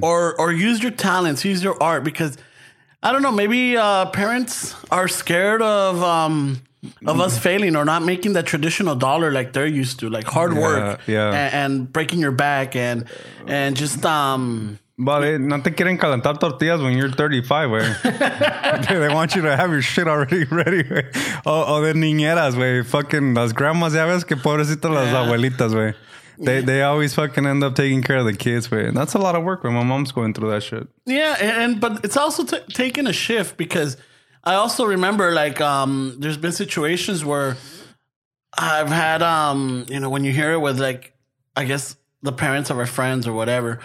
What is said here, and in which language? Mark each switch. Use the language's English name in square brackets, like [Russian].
[English] Or use your talents, use your art, because I don't know, maybe parents are scared of us failing or not making that traditional dollar like they're used to, like hard work yeah. And breaking your back and just But [Spanish] no te quieren calentar tortillas [English] when you're 35, [Spanish] güey. [English] They want you to have your shit already ready, güey. [Spanish] Oh, de niñeras, güey. Fucking las grandmas, ya ves que pobrecito las abuelitas, güey. [English] They always fucking end up taking care of the kids, güey. That's a lot of work, güey. My mom's going through that shit. Yeah, and but it's also taking a shift because I also remember, like, there's been situations where I've had, you know, when you hear it with, like, I guess the parents of our friends or whatever,